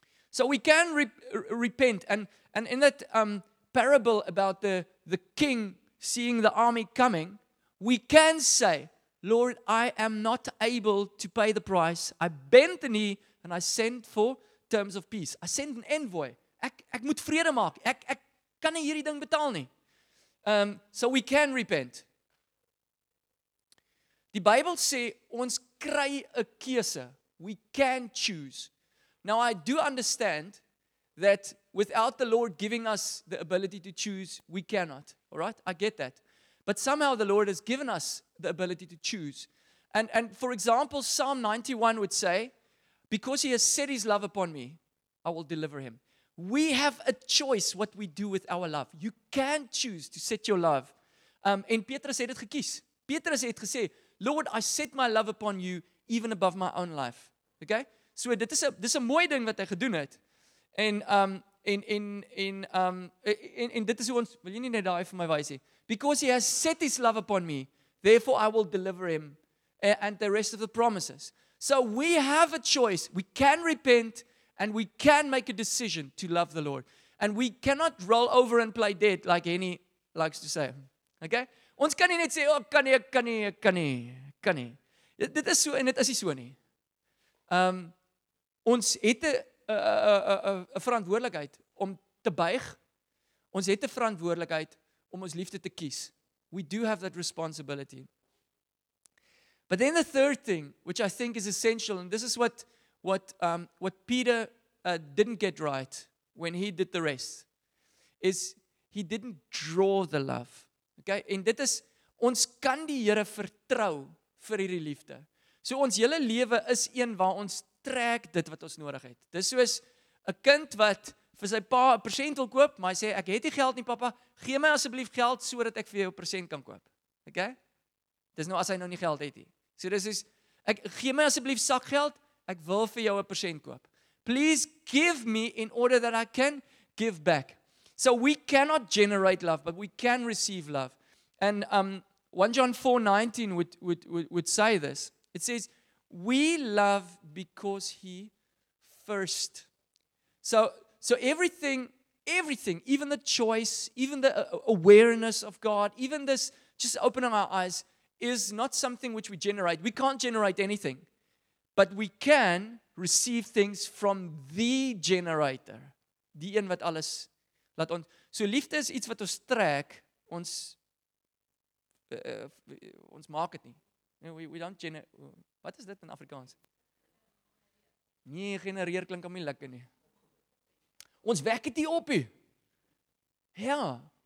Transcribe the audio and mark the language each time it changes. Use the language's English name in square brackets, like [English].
[English] So we can repent, and in that parable about the king seeing the army coming, we can say, Lord, I am not able to pay the price. I bend the knee and I send for terms of peace. I send an envoy. [Afrikaans] Ek moet vrede maak. Ek kan nie hierdie ding betaal nie. [English] So we can repent. [Afrikaans] Die Bybel sê ons kry 'n keuse. [English] We can choose. Now I do understand that without the Lord giving us the ability to choose, we cannot. All right? I get that. But somehow the Lord has given us the ability to choose. And for example, Psalm 91 would say, because he has set his love upon me, I will deliver him. We have a choice what we do with our love. You can choose to set your love. [Afrikaans] En Petrus het dit gekies. [English] Petrus het gesê, Lord, I set my love upon you even above my own life. Okay? So [Afrikaans] dit is 'n mooi ding wat hy gedoen het. En en dit is hoe ons, wil jy nie net daai vir my wys nie? [English] Because he has set his love upon me, therefore I will deliver him and the rest of the promises. So we have a choice. We can repent and we can make a decision to love the Lord. And we cannot roll over and play dead like any likes to say. Okay? [Afrikaans] Ons kan nie net sê, oh, kan nie. Dit is so en dit is nie so nie. Ons het 'n verantwoordelikheid om te buig. Ons het 'n verantwoordelikheid om ons liefde te kies. [English] We do have that responsibility. But then the third thing, which I think is essential, and this is what Peter didn't get right when he did the rest, is he didn't draw the love. Okay? [Afrikaans] En dit is, ons kan die Here vertrou vir hierdie liefde. So ons hele lewe is een waar ons trek dit wat ons nodig het. Dis soos 'n kind wat vir sy pa 'n persent wil koop, maar hy sê, ek het nie geld nie, papa, gee my asseblief geld sodat ek vir jou 'n persent kan koop. Okay? Dis nou as hy nou nie geld het nie. So dis is, ek gee my asseblief sakgeld, ek wil vir jou 'n persent koop. [English] Please give me in order that I can give back. So we cannot generate love, but we can receive love. And 1 John 4:19 would say this. It says, we love because he first. So everything, even the choice, even the awareness of God, even this just opening our eyes, is not something which we generate. We can't generate anything, but we can receive things from the generator. [Afrikaans] Die een wat alles laat ons. So liefde is iets wat ons trek, ons maak dit nie. [English] We don't generate. [Afrikaans] Wat is dit in Afrikaans? Nie genereer klink om nie lekker nie. Ons wek dit nie op nie. Ja.